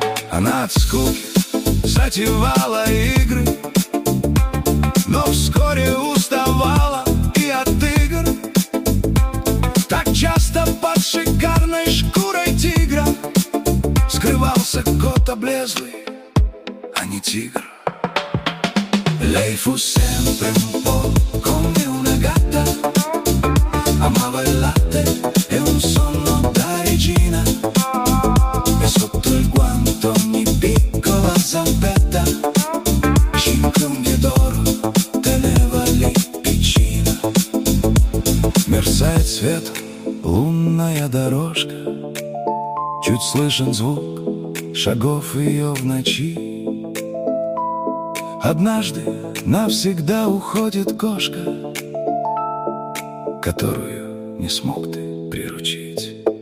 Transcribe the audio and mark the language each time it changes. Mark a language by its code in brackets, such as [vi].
[ru] Она от скуки затевала игры, но вскоре уставала и от игр. Так часто под шикарной шкурой тигра скрывался кот облезлый, а не тигр. [it] Lei fu sempre un po' come una gatta, amava il latte e un sonno da regina, e sotto il guanto ogni piccola zampetta, cinque unghie d'oro teneva lì piccina. [ru] Мерцает свет лунная дорожка, чуть слышен звук шагов ее в ночи. Однажды навсегда уходит кошка, которую не смог ты приручить.